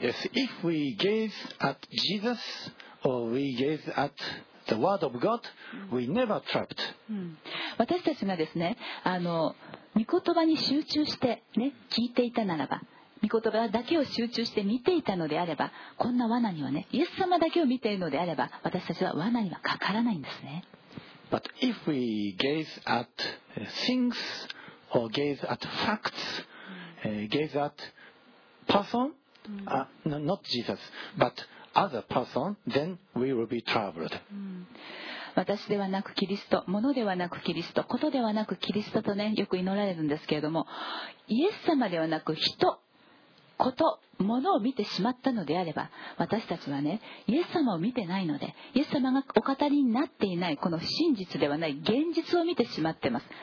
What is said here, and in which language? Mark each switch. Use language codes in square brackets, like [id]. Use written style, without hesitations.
[en] Yes, if we gaze at Jesus or we gaze atThe word of God, we never trapped. [ja] 私たちがですね、御言葉に集中して、ね、聞いていたならば、御言葉だけを集中して見ていたのであれば、こんな罠にはね、イエス様だけを見ているのであれば、私たちは罠にはかからないんですね。 [en] But if we gaze at things or gaze at facts, gaze at person, not Jesus, butother person, then we will be troubled. [ja] 私ではなくキリスト、物ではなくキリスト、ことではなくキリストとね、よく祈られるんですけれども、イエス様ではなく人、こと、物を見てしまったのであれば、私たちはね、イエス様を見てないので、イエス様がお語りになっていないこの真実ではない現実を見てしまってます。